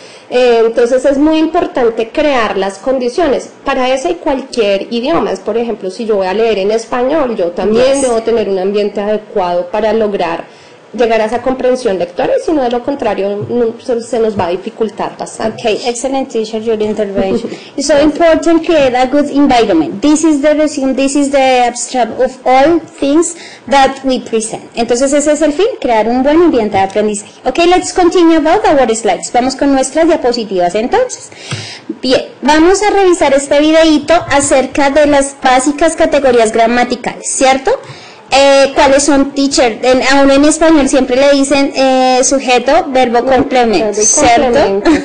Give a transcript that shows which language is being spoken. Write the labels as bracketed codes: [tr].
[es] Entonces es muy importante crear las condiciones. Para eso hay cualquier idioma. Es, por ejemplo, si yo voy a leer en español, yo también debo tener un ambiente adecuado para lograr llegar a esa comprensión lectora, sino de lo contrario no, se nos va a dificultar bastante. [en] Okay, excellent teacher, your intervention. It's so important to create a good environment. This is the resume, this is the abstract of all things that we present. [es] Entonces ese es el fin, crear un buen ambiente de aprendizaje. Okay, let's continue about our slides. Vamos con nuestras diapositivas entonces. Bien, vamos a revisar este videito acerca de las básicas categorías gramaticales, ¿cierto? ¿Cuáles son, teacher? Aún en español siempre le dicen sujeto, verbo, complemento, ¿cierto?